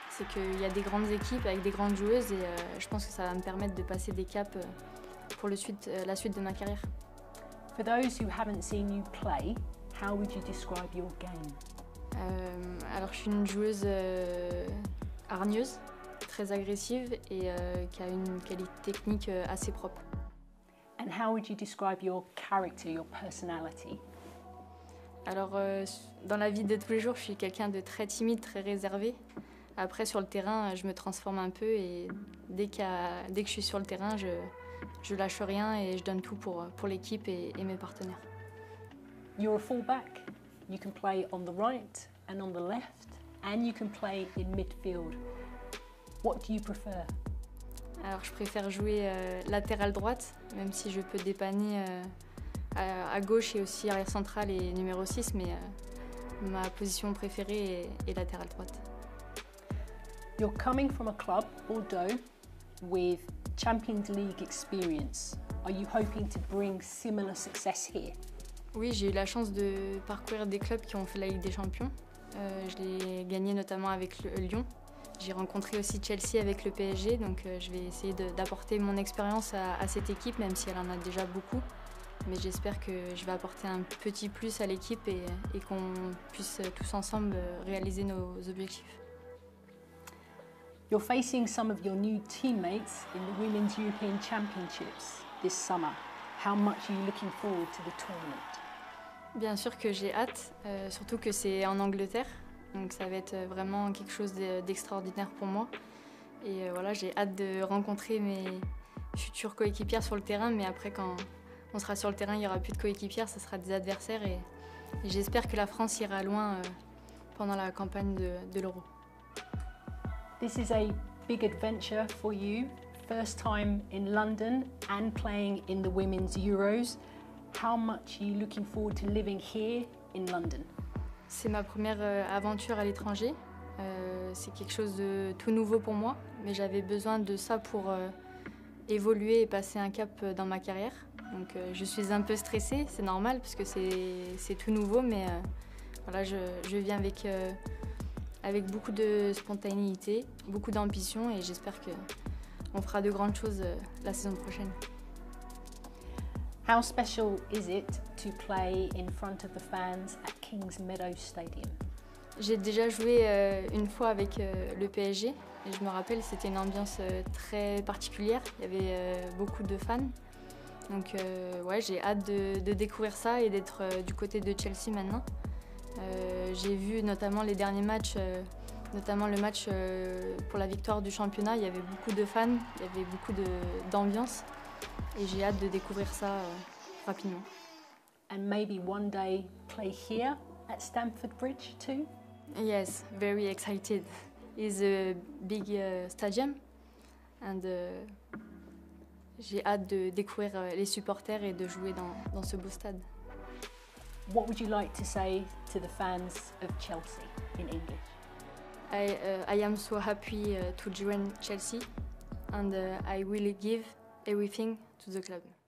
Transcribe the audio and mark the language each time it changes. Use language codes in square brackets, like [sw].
[fr] C'est qu'il y a des grandes équipes avec des grandes joueuses et je pense que ça va me permettre de passer des caps pour la suite de ma carrière. [en] For those who haven't seen you play, how would you describe your game? [fr] Alors, je suis une joueuse hargneuse, très agressive et qui a une qualité technique assez propre. [en] And how would you describe your character, your personality? [fr] Alors, dans la vie de tous les jours, je suis quelqu'un de très timide, très réservé. Après, sur le terrain, je me transforme un peu et dès que je suis sur le terrain, je lâche rien et je donne tout pour l'équipe et mes partenaires. [en] You're a fullback. You can play on the right and on the left, and you can play in midfield. What do you prefer? [fr] Alors, je préfère jouer latéral droite, même si je peux dépanner à gauche et aussi arrière central et numéro 6, mais ma position préférée est latéral droite. [en] You're coming from a club, Bordeaux, with Champions League experience. Are you hoping to bring similar success here? [fr] Oui, j'ai eu la chance de parcourir des clubs qui ont fait la Ligue des Champions. Je l'ai gagné notamment avec Lyon. J'ai rencontré aussi Chelsea avec le PSG, donc je vais essayer d'apporter mon expérience à cette équipe, même si elle en a déjà beaucoup. Mais j'espère que je vais apporter un petit plus à l'équipe et qu'on puisse tous ensemble réaliser nos objectifs. [en] You're facing some of your new teammates in the Women's European Championships this summer. How much are you looking forward to the tournament? [fr] Bien sûr que j'ai hâte, surtout que c'est en Angleterre. Donc ça va être vraiment quelque chose d'extraordinaire pour moi. Et voilà, j'ai hâte de rencontrer mes futures coéquipières sur le terrain. Mais après, quand on sera sur le terrain, il n'y aura plus de coéquipières, ce sera des adversaires. Et j'espère que la France ira loin pendant la campagne de l'Euro. [en] This is a big adventure for you. First time in London and playing in the Women's Euros. How much are you looking forward to living here in London? [fr] C'est ma première aventure à l'étranger. C'est quelque chose de tout nouveau pour moi, mais j'avais besoin de ça pour évoluer et passer un cap dans ma carrière. Donc je suis un peu stressée, c'est normal, puisque c'est tout nouveau, mais voilà, je viens avec beaucoup de spontanéité, beaucoup d'ambition, et j'espère qu'on fera de grandes choses la saison prochaine. [en] How special is it to play in front of the fans at King's Meadow Stadium? [fr] J'ai déjà joué une fois avec le PSG et je me rappelle c'était une ambiance très particulière, il y avait beaucoup de fans. Donc ouais, j'ai hâte de découvrir ça et d'être du côté de Chelsea maintenant. J'ai vu notamment les derniers matchs, notamment le match pour la victoire du championnat, il y avait beaucoup de fans, il y avait beaucoup d'ambiance et j'ai hâte de découvrir ça rapidement. [en] And maybe one day play here at Stamford Bridge too? Yes, very excited. It's a big stadium and [fr] j'ai hâte de découvrir les supporters et de jouer dans ce beau stade. [en] What would you like to say to the fans of Chelsea in English? I am so happy to join Chelsea and I will give everything to the club.